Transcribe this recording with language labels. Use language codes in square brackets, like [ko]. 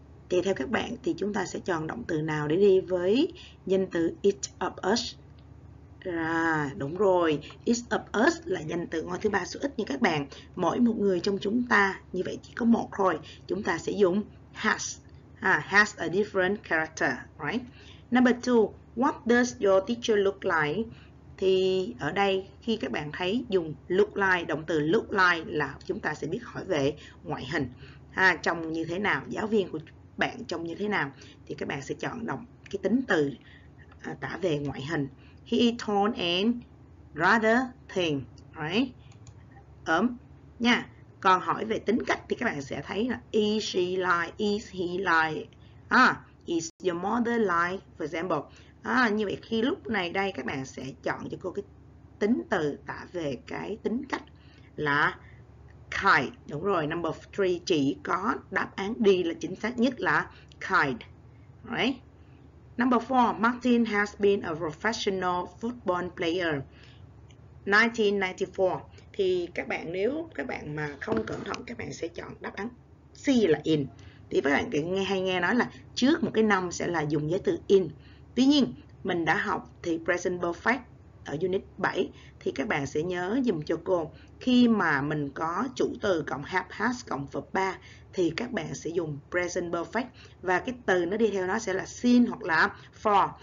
[vi] Thì theo các bạn thì chúng ta sẽ chọn động từ nào để đi với danh từ each of us? À, đúng rồi, each of us là danh từ ngôi thứ ba số ít nha các bạn. Mỗi một người trong chúng ta, như vậy chỉ có một thôi. Chúng ta sẽ dùng has. [en] Has a different character, right? Number two, what does your teacher look like? [vi] Thì ở đây khi các bạn thấy dùng look like, động từ look like là chúng ta sẽ biết hỏi về ngoại hình. Trông như thế nào, giáo viên của bạn trông như thế nào. Thì các bạn sẽ chọn động cái tính từ tả về ngoại hình. [en] He is tall and rather thin, right? [vi] Ốm nha. Còn hỏi về tính cách thì các bạn sẽ thấy là [en] is she like, is he like, is your mother like, for example. [vi] Như vậy khi lúc này đây các bạn sẽ chọn cho cô cái tính từ tả về cái tính cách là kind. Đúng rồi, number 3 chỉ có đáp án D là chính xác nhất là kind. [en] Right. Number 4, Martin has been a professional football player 1994. [vi] Thì các bạn nếu các bạn mà không cẩn thận các bạn sẽ chọn đáp án C là in. Thì các bạn nghe hay nghe nói là trước một cái năm sẽ là dùng giới từ in. Tuy nhiên, mình đã học thì present perfect ở unit 7 thì các bạn sẽ nhớ dùm cho cô khi mà mình có chủ từ cộng have, has cộng verb 3 thì các bạn sẽ dùng present perfect và cái từ nó đi theo nó sẽ là seen hoặc là for.